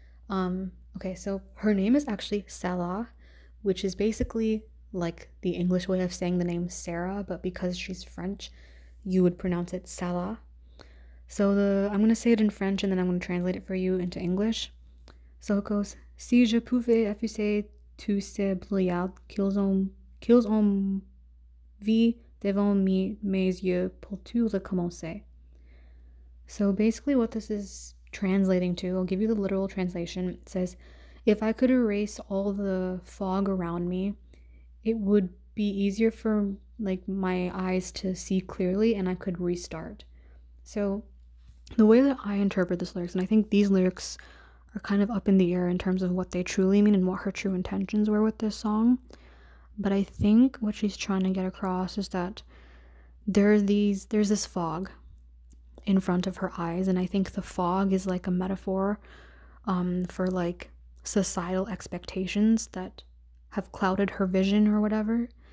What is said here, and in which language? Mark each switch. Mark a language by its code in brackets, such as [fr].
[en] Okay, so her name is actually Sarah, which is basically like the English way of saying the name Sarah, but because she's French, you would pronounce it Sarah. So I'm going to say it in French and then I'm going to translate it for you into English. So it goes, [fr] si je pouvais effacer tous ces brouillards qu'ils ont vu devant mes yeux pour tout recommencer. [en] So basically what this is translating to, I'll give you the literal translation. It says, if I could erase all the fog around me, it would be easier for like my eyes to see clearly and I could restart. So the way that I interpret this lyrics, and I think these lyrics are kind of up in the air in terms of what they truly mean and what her true intentions were with this song, but I think what she's trying to get across is that there's this fog in front of her eyes, and I think the fog is like a metaphor for like societal expectations that have clouded her vision or whatever.